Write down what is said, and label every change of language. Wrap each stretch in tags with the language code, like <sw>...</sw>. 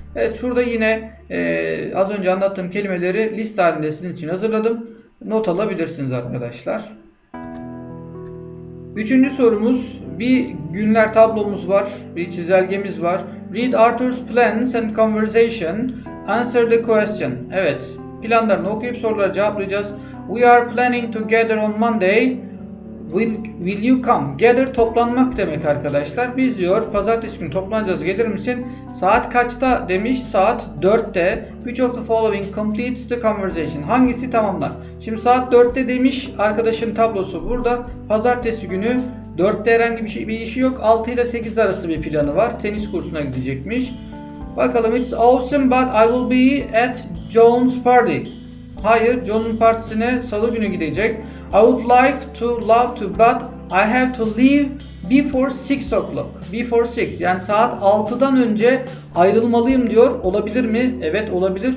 <tr>Evet, şurada yine az önce anlattığım kelimeleri liste halinde sizin için hazırladım. Not alabilirsiniz arkadaşlar. Üçüncü sorumuz, bir günler tablomuz var, bir çizelgemiz var.</tr> <en>Read Arthur's plans and conversation, answer the question.</en> <tr>Evet, planlarını okuyup soruları cevaplayacağız.</tr> <en>We are planning to gather on Monday, will you come?</en> <tr>Gather toplanmak demek arkadaşlar. Biz diyor, pazartesi günü toplanacağız, gelir misin? Saat kaçta demiş, saat 4'te.</tr> <en>Which of the following completes the conversation?</en> <tr>Hangisi tamamlar? Şimdi saat 4'te demiş arkadaşın tablosu burada. Pazartesi günü 4'te herhangi bir, bir işi yok. 6 ile 8 arası bir planı var. Tenis kursuna gidecekmiş. Bakalım.</tr> <en>It's awesome but I will be at John's party.</en> <tr>Hayır, John'un partisine salı günü gidecek.</tr> <en>I would like to love to but I have to leave before 6 o'clock.</en> <tr>Before 6 yani saat 6'dan önce ayrılmalıyım diyor. Olabilir mi? Evet olabilir.</tr>